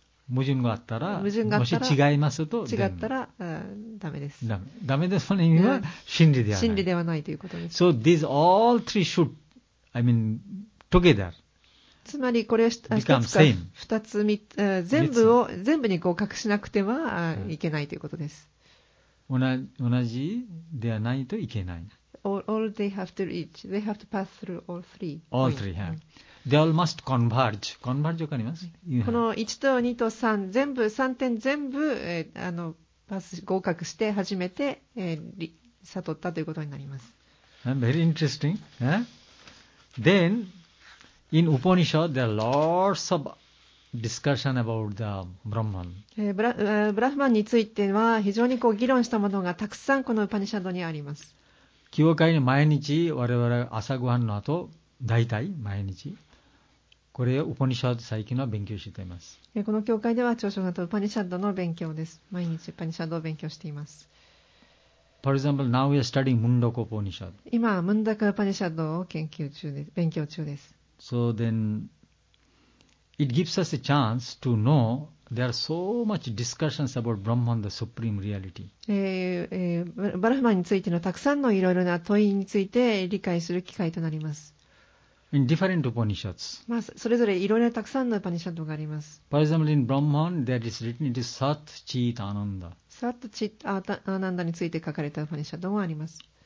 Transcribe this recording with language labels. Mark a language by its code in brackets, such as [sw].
[ja] 矛盾があったら、もし違いますと、違ったら、ダメです。ダメですの意味は真理ではない。真理ではないということです。 [en] So these all three should, I mean, together. [ja] つまりこれ二つ全部に合格しなくてはいけないということです。同じではないといけない。 [en] All they have to reach, they have to pass through all three. All three, yeah. They all must converge. Converge [ja] 分かります？この1と2と3、全部3点全部パス合格して初めて、悟ったということになります。 [en] Very interesting. Then, in Upanishad, there are lots of discussion about the Brahman. [ja] Brahman については非常にこう議論したものがたくさんこのUpanishadにあります。教会に毎日我々朝ごはんの後、大体毎日。これはウパニシャド最近は勉強しています。この教会では朝食のとウパニシャドの勉強です。毎日ウパニシャドを勉強しています。 [en] For example, now we are studying ムンダコウパニシャド。 [ja] 今ムンダコウパニシャドを研究中で勉強中です。 [en] So then it gives us a chance to know there are so much discussions about Brahman, the supreme reality. [ja] バラハマについてのたくさんのいろいろな問いについて理解する機会となります。 [en] In different Upanishads. [ja] それぞれいろいろたくさんのUpanishadがあります。 [en] For example, in Brahman, there is written it is Sat Chit Ananda. [ja] Sat Chit Ananda について書かれたUpanishadもあります。